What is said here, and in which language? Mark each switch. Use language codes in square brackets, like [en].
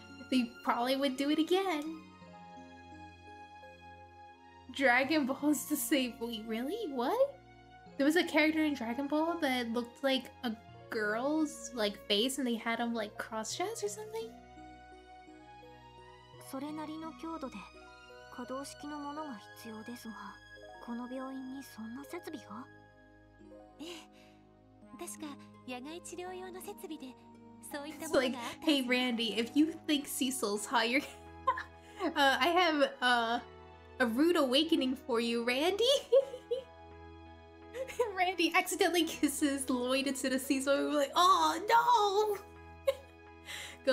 [en] They probably would do it again. Dragon Ball's the same. Wait, really? What? There was a character in Dragon Ball that looked like a girl's like face and they had him like cross-dress or something? [ja] それなりの強度で可動式のものが必要ですが、この病院にそんな設備が？え、確か野外治療用の設備で。 [en] It's like, hey Randy, if you think Cecil's hot, you're I have a rude awakening for you, Randy. Randy accidentally kisses Lloyd instead of Cecil, and we're like, oh no!